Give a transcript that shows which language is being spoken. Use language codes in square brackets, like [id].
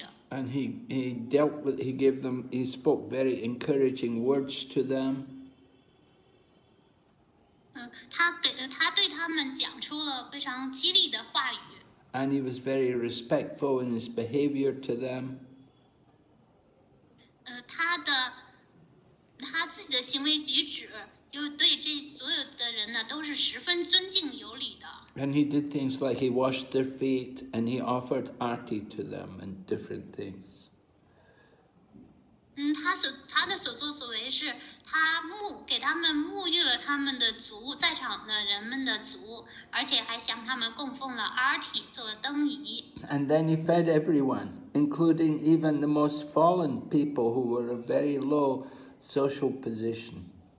[en] And he spoke very encouraging words to them. [zh] 他对他们讲出了非常激励的话语。 [en] And he was very respectful in his behavior to them. [zh] 他自己的行为举止又对这所有的人呢都是十分尊敬有礼的。 [en] And he did things like he washed their feet and he offered arti to them and different things. [zh] 他的所作所为是他给他们沐浴了他们的族在场的人们的族而且还向他们供奉了阿提做了灯仪 [en] And then he fed everyone, including even the most fallen people who were a very low social position.